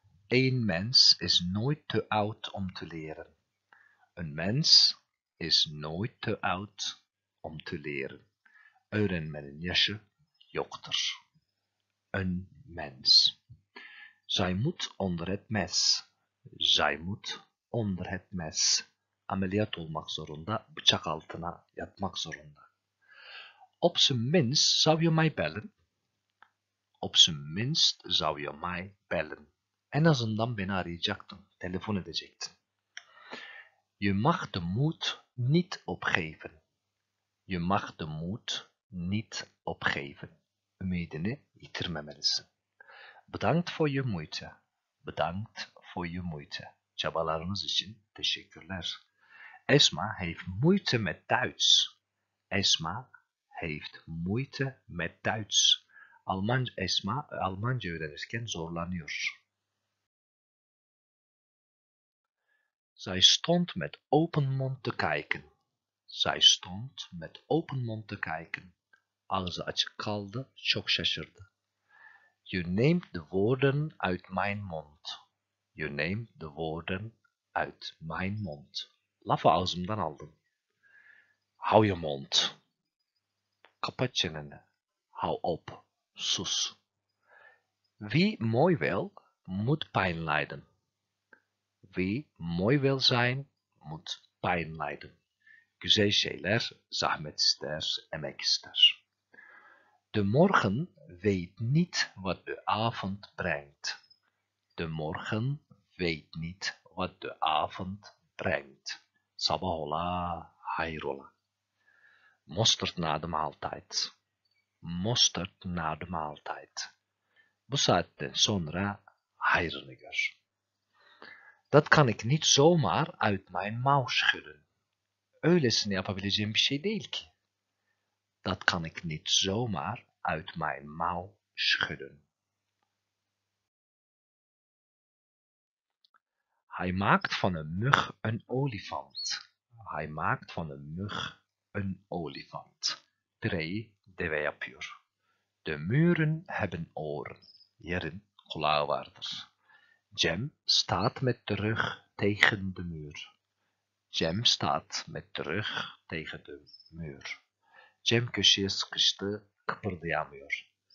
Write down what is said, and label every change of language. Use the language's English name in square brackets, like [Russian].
[Dutch] Een mens is nooit te oud om te leren. Een mens is nooit te oud om te leren. [Turkish] Öğrenmenin yaşı yoktur. [Dutch] Een mens. Zij moet onder het mes. Zij moet onder het mes. [Turkish] Ameliyat olmak zorunda, bıçak altına yatmak zorunda. [Dutch] Op zijn minst zou je mij bellen. Op zijn minst zou je mij bellen. [Turkish] En azından beni arayacaktın, telefon edecektin. [Dutch] Je mag de moed niet opgeven. Je mag de moed niet opgeven. [Turkish] Ümidini yitirmemelisin. [Dutch] Bedankt voor je moeite. Bedankt voor je moeite. [Turkish] Çabalarınız için teşekkürler. [Dutch] Esma heeft moeite met Duits. Esma heeft moeite met Duits. [Turkish] Esma Almanca öğrenirken zorlanıyor. [Dutch] Zij stond met open mond te kijken. Zij stond met open mond te kijken. [Turkish] Ağzı açık kaldı, çok şaşırdı. [Dutch] Je neemt de woorden uit mijn mond. Je neemt de woorden uit mijn mond. [Turkish] Lafı ağzımdan aldın. [Dutch] Hou je mond. [Turkish] Kapat çeneni. [Dutch] Hou op. [Turkish] Sus. [Dutch] Wie mooi wil, moet pijn lijden. Wie mooi wil zijn, moet pijn lijden. [Turkish] Güzel şeyler, zahmet ister, emek ister. [Dutch] De morgen weet niet wat de avond brengt. De morgen weet niet wat de avond brengt. [Turkish] Sabah ola, hayrola. [Dutch] Mosterd na de maaltijd. Mosterd na de maaltijd. [Turkish] Bu saatten sonra hayrını gör. [Dutch] Dat kan ik niet zomaar uit mijn mouw schudden. [Turkish] Öylesine yapabileceğim bir şey değil ki. [Dutch] Dat kan ik niet zomaar uit mijn mouw schudden. Hij maakt van een mug een olifant. Hij maakt van een mug een olifant. [Turkish] Pireyi deve yapıyor. [Dutch] De muren hebben oren. [Turkish] Yerin kulağı vardır. [Dutch] Cem staat met de rug tegen de muur. Cem staat met de rug tegen de muur. [Turkish] Cem köşeye sıkıştı, kıpırdayamıyor.